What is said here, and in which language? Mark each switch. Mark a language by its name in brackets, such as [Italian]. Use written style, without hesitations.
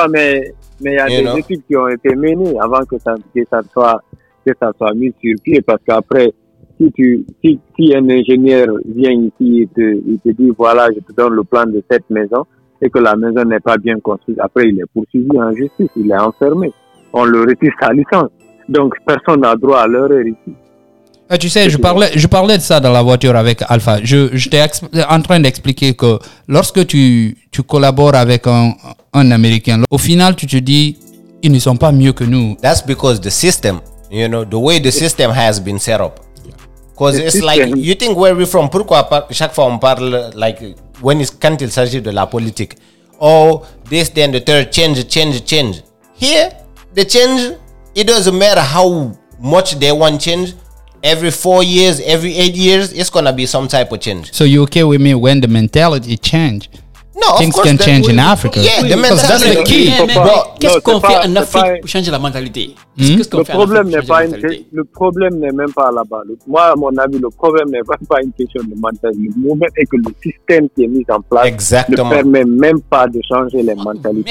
[French] Mais il y a des études qui ont été menées avant que ça soit mis sur pied, parce qu'après, si un ingénieur vient ici et te dit voilà, je te donne le plan de cette maison et que la maison n'est pas bien construite, après il est poursuivi en justice, il est enfermé, on le retire sa licence, donc personne n'a droit à l'erreur ici. Et tu sais, je parlais de ça dans la voiture avec Alpha. J'étais en train d'expliquer que lorsque tu collabores avec un Américain, au final tu te dis ils ne sont pas mieux que nous. [English] That's because the system. You know, the way the system has been set up. Because it's like, you think where we're from, [French] pourquoi chaque fois on parle, [English] like, [French] quand il s'agit de la politique, [English] oh, this, then the third, change. Here, the change, it doesn't matter how much they want change, every 4 years, every 8 years, it's going to be some type of change. So you okay with me when the mentality change? No, of things can change in Africa. Yeah, that's the key. [French] Qu'est-ce qu'on fait en Afrique pour changer la mentalité? Le problème n'est même pas là-bas. Moi, à mon avis, le problème n'est même pas une question de mentalité. Le problème est que le système qui est mis en place exactement. Ne permet même pas de changer les mentalités.